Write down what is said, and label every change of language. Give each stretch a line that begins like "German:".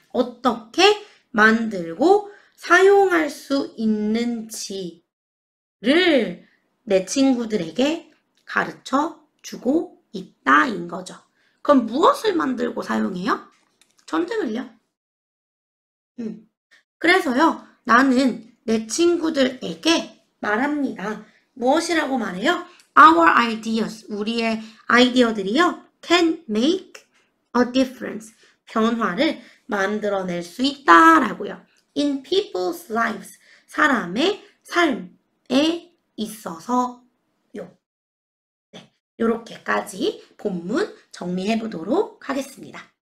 Korean: 어떻게 만들고 사용할 수 있는지를 내 친구들에게 가르쳐 주고 있다인 거죠. 그럼 무엇을 만들고 사용해요? 전등을요. 그래서요, 나는 내 친구들에게 말합니다. 무엇이라고 말해요?
English: Our ideas,
Korean: 우리의 아이디어들이요,
English: can make a difference.
Korean: 변화를 만들어낼 수 있다라고요.
English: In people's lives,
Korean: 사람의 삶에 있어서요. 네, 이렇게까지 본문 정리해 보도록 하겠습니다.